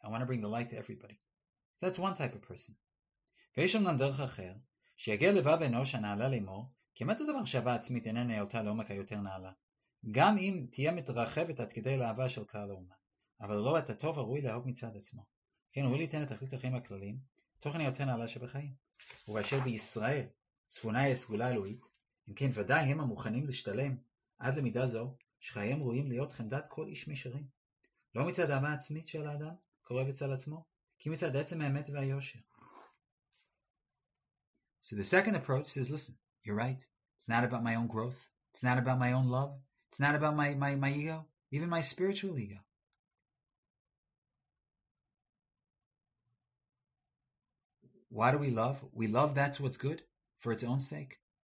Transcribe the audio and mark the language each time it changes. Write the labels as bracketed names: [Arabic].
[English] I want to bring the light to everybody. So that's one type of person. [Hebrew] ויש אמנם דרך אחר, שיגיע לבב אנוש הנעלה לאמור, כמעט הדבר שאהבה עצמית אינה נעלתה לעומק היותר נעלה, גם אם תהיה מתרחבת עד כדי לאהבה של כלל האומה, אבל לא את הטוב הראוי לאהוב מצד עצמו. כן, הוא ליתן את תכלית החיים הכללים, תוכן היותר נעלה שבחיים. ובאשר בישראל, צפונה היא הסגולה אלוהית, אם כן ודאי הם המוכנים להשתלם עד למידה זו שחייהם ראויים להיות חמדת כל איש מישרים. לא מצד האהבה העצמית של האדם קורא בצל עצמו, כי מצד עצם האמת והיושר. [English] So the second approach says, listen, you're right. It's not about my own growth. It's not about my own love. It's not about my ego. Even my spiritual ego. Why do we love? We love that's what's good. For its own sake.